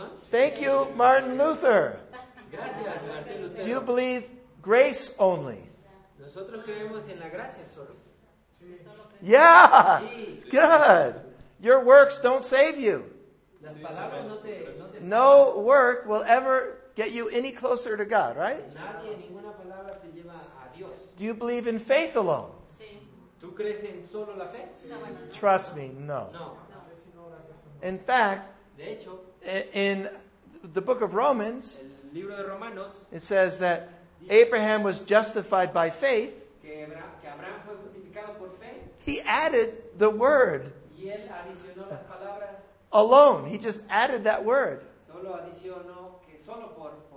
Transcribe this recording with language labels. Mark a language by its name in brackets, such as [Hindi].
[English] Thank you, Martin Luther. [Spanish] Gracias, Martin Luther. [English] Do you believe grace only? [Spanish] Nosotros creemos en la gracia solo. [English] Yeah, good. Your works don't save you. [Spanish] Las palabras no te salvan. [English] No work will ever get you any closer to God, right? [Spanish] Nadie, ninguna palabra te lleva a Dios. [English] Do you believe in faith alone? [Spanish] ¿Tú crees en solo la fe? [English] No. Trust me, no. No. In fact, [Spanish] de hecho, [English] in the book of Romans, [Spanish] el libro de Romanos, [English] it says that Abraham was justified by faith. [Spanish] Que Abraham fue justificado por fe. [English] He added the word. [Spanish] Y él adicionó las palabras [English] alone. He just added that word. [Spanish] Solo adicionó que solo por